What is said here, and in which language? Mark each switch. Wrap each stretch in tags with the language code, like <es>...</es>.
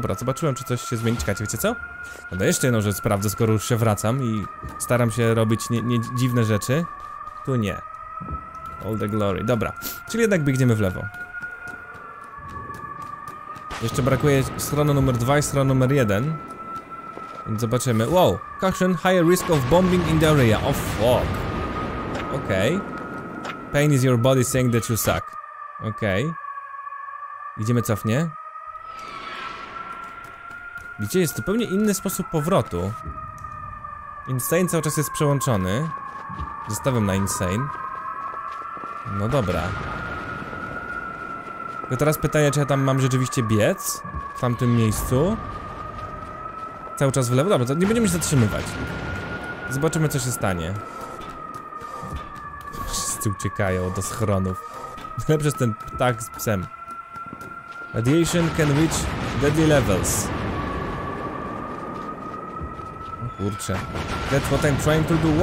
<pl>Dobra, zobaczyłem, czy coś się zmieni. Czekajcie, wiecie co? No to jeszcze jedną rzecz sprawdzę, skoro już się wracam i staram się robić nie dziwne rzeczy. Tu nie.</pl> <en>All the glory.</en> <pl>Dobra, czyli jednak biegniemy w lewo. Jeszcze brakuje strony numer 2 i strony numer 1. Więc zobaczymy.</pl> <en>Wow, caution, higher risk of bombing in the area. Oh fuck. Okej. Okay. Pain is your body saying that you suck.</en> <pl>Okej. Okay. Idziemy cofnie. Widzicie, jest zupełnie inny sposób powrotu. Insane cały czas jest przełączony. Zostawiam na insane. No dobra. To teraz pytanie, czy ja tam mam rzeczywiście biec? W tamtym miejscu? Cały czas w lewo? Dobra, to nie będziemy się zatrzymywać. Zobaczymy, co się stanie. Wszyscy uciekają do schronów. Najlepszy jest ten ptak z psem.</pl> <en>Radiation can reach deadly levels.</en> <pl>O kurczę.</pl> <en>That's what I'm trying to do.</en>